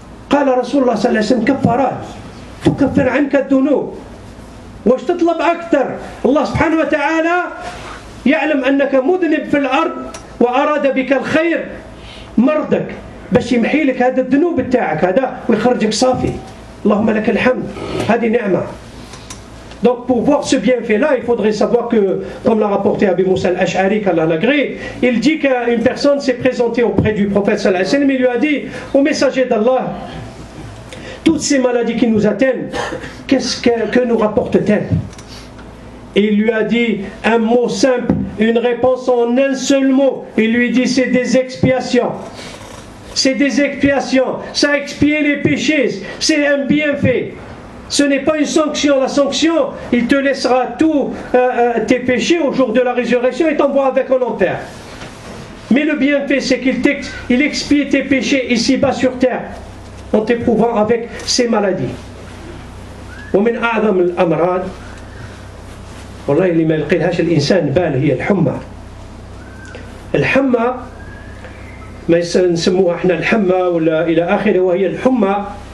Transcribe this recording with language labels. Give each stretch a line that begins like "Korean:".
Arabic: قال رسول الله صلى الله عليه وسلم كفارات تكفر عنك الذنوب، واش تطلب اكثر؟ الله سبحانه وتعالى يعلم انك مذنب في الارض وأراد بك الخير، مرضك باش يمحي لك هذا الذنوب تاعك هذا ويخرجك صافي. اللهم لك الحمد، هذه نعمة.
French: Donc pour voir ce bienfait-là, il faudrait savoir que, comme l'a rapporté Abu Moussa al-Ash'ari, il dit qu'une personne s'est présentée auprès du prophète
Arabic: sallallahu alayhi wa sallam
French: et lui a dit, au messager d'Allah, toutes ces maladies qui nous atteignent, que nous rapportent-elles? Et il lui a dit un mot simple, une réponse en un seul mot. Il lui dit c'est des expiations. C'est des expiations. Ça a expié les péchés. C'est un bienfait. Ce n'est pas une sanction. La sanction, il te laissera tous tes péchés au jour de la résurrection et t'envoie avec en enfer. Mais le bienfait, c'est qu'il expie tes péchés ici-bas sur terre en t'éprouvant avec ces maladies.
Arabic: ومن أعظم الأمراض والله اللي ما يلقيهاش الإنسان بال هي الحمى. الحمى ما نسموها احنا الحمى ولا إلى آخره، وهي الحمى.